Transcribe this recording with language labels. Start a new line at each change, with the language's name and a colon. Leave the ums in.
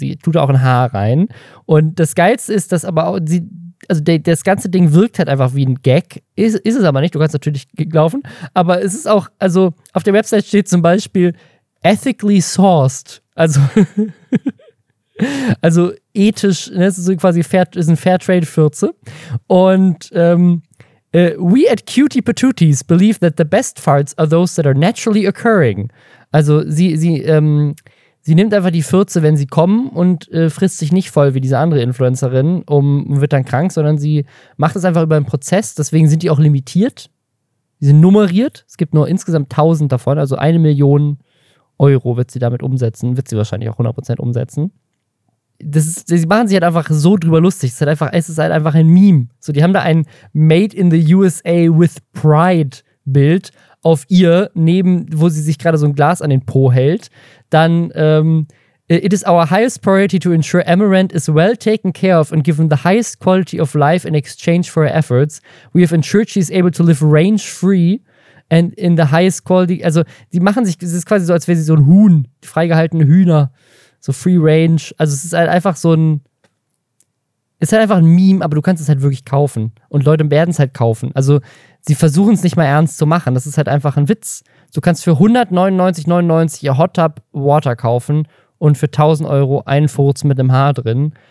German: Sie tut auch ein Haar rein. Und das Geilste ist, dass aber auch sie, also de, das ganze Ding wirkt halt einfach wie ein Gag. Ist, ist es aber nicht, du kannst natürlich laufen. Aber es ist auch, also auf der Website steht zum Beispiel
English: ethically sourced.
German: Also, also ethisch, ne, es ist so quasi fair, ist ein Fairtrade-Fürze.
English: Und ähm, äh, we at Cutie Patooties believe that the best farts are those that are naturally occurring.
German: Also sie, sie, ähm, sie nimmt einfach die Fürze, wenn sie kommen und äh, frisst sich nicht voll wie diese andere Influencerin um, und wird dann krank, sondern sie macht es einfach über einen Prozess. Deswegen sind die auch limitiert. Die sind nummeriert. Es gibt nur insgesamt 1000 davon, also eine Million Euro wird sie damit umsetzen, wird sie wahrscheinlich auch 100% umsetzen. Das ist, sie machen sich halt einfach so drüber lustig. Es ist, halt einfach, es ist halt einfach ein Meme. So, die haben da ein
English: Made in the USA with Pride
German: Bild auf ihr, neben, wo sie sich gerade so ein Glas an den Po hält.
English: Dann, ähm, It is our highest priority to ensure Amaranth is well taken care of and given the highest quality of life in exchange for her efforts. We have ensured she is able to live range free and in the highest quality.
German: Also, die machen sich, es ist quasi so, als wäre sie so ein Huhn, die freigehaltenen Hühner, so
English: free range.
German: Also, es ist halt einfach so ein, es ist halt einfach ein Meme, aber du kannst es halt wirklich kaufen. Und Leute werden es halt kaufen. Also, sie versuchen es nicht mal ernst zu machen. Das ist halt einfach ein Witz. Du kannst für 199,99 ihr Hot Tub Water kaufen und für 1000 Euro einen Furz mit einem Haar drin.